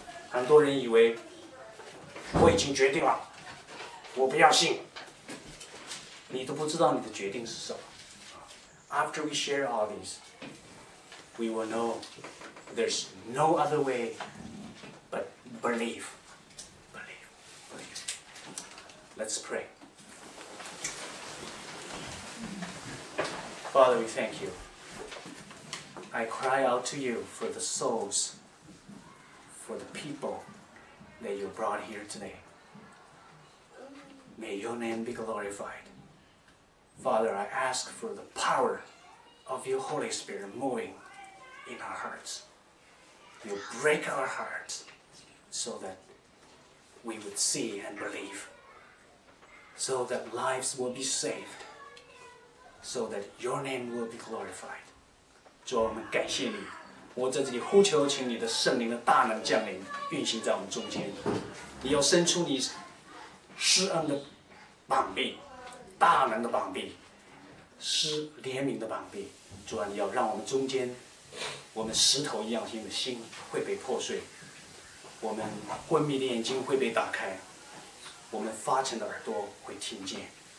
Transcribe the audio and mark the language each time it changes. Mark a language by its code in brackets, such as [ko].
[zh] 很多人以为我已经决定了，我不要信。你都不知道你的决定是什么。 [en] After we share all these, we will know there's no other way but believe. Believe. Believe. Let's pray. Father, we thank you. I cry out to you for the souls, for the people that you brought here today. May your name be glorified. Father, I ask for the power of your Holy Spirit moving in our hearts. You break our hearts so that we would see and believe, so that lives will be saved, so that your name will be glorified. [zh] 主，我们感谢你，我在这里呼求，请你的圣灵的大能降临，运行在我们中间。你要伸出你施恩的膀臂，大能的膀臂，施怜悯的膀臂。主啊，你要让我们中间，我们石头一样心的心会被破碎，我们昏迷的眼睛会被打开，我们发沉的耳朵会听见。